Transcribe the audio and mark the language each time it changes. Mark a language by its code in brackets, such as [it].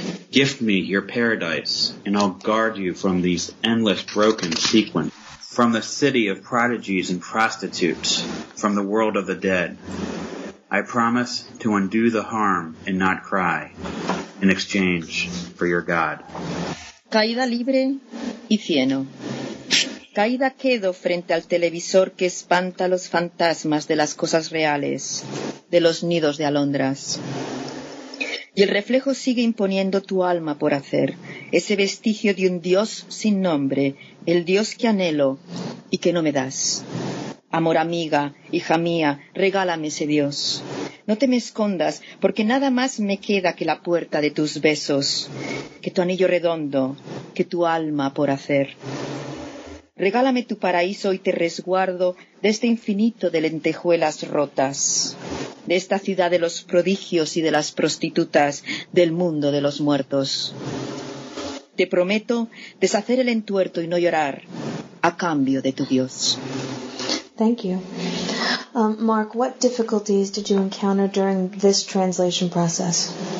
[en] Gift me your paradise, and I'll guard you from these endless broken sequences. From the city of prodigies and prostitutes, from the world of the dead, I promise to undo the harm and not cry in exchange for your God. [es] Caída libre y cieno. caída quedo frente al televisor que espanta los fantasmas de las cosas reales, de los nidos de alondras. Y el reflejo sigue imponiendo tu alma por hacer, ese vestigio de un dios sin nombre, el dios que anhelo y que no me das. Amor amiga, hija mía, regálame ese dios. No te me escondas, porque nada más me queda que la puerta de tus besos, que tu anillo redondo, que tu alma por hacer. Regálame tu paraíso y te resguardo de este infinito de lentejuelas rotas, de esta ciudad de los prodigios y de las prostitutas, del mundo de los muertos. Te prometo deshacer el entuerto y no llorar a cambio de tu dios. [en] Thank you. Mark, what difficulties did you encounter during this translation process?